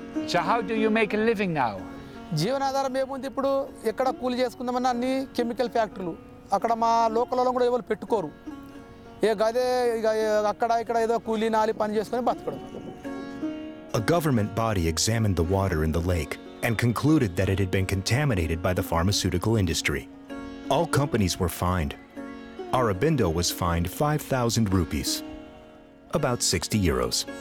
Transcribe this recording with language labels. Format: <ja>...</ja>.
<en>So how do you make a living now?</en> <te>జీవనాధారం ఏముంది ఇప్పుడు? ఎక్కడ కూలి చేసుకుందామన్నా అన్ని కెమికల్ ఫ్యాక్టరీలు. అక్కడ మా లోకల్లో కూడా ఎవరు పెట్టుకోరు. ఏ గదే ఇక అక్కడ ఇక్కడ ఏదో కూలీ నాలి పని చేసుకొని బతకడం.</te> <en>A government body examined the water in the lake and concluded that it had been contaminated by the pharmaceutical industry. All companies were fined. Aurobindo was fined 5,000 rupees, about 60 euros.</en>